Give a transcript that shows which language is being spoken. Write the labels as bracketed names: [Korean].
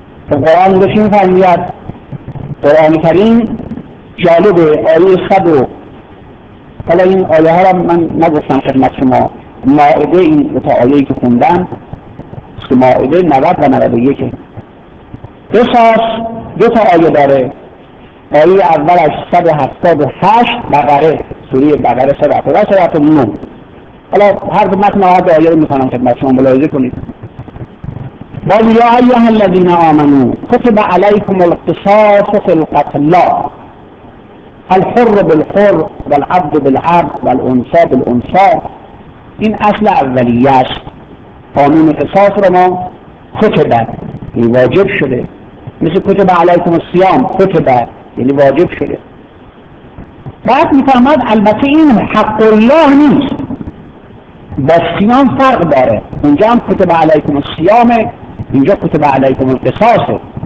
[Persian] قرآن رو چی میفرمید؟ قرآن کریم جالبه آیه صدر، حالا این آیه ها را من نگفتم خدمت شما، مائده این دو تا آیهی که خوندم است، مائده 90 و 91. قصاص دو تا آیه داره، آیه اولش 178 بقره، سوره بقره 179. حالا هر خدمت ما هر دو آیه رو میخوانم خدمت شما ملاحظه کنید. [Arabic] قال يا ايها الذين امنوا كتب عليكم القصاص في القتل الحر بالحر والعبد بالعبد والانثى بالانثى. [Persian] این اصل اولیه است، قانون قصاص رو ما کتب یعنی واجب شده، مثل [Arabic] کتب عليكم الصيام [Persian] کتب یعنی واجب شده. بعد میفهمد البته این حق الله نیست، با صيام فرق داره، اونجا هم [Arabic] کتب عليكم الصيام، [Persian] اینجا [Arabic] کتب علیکم القصاصه.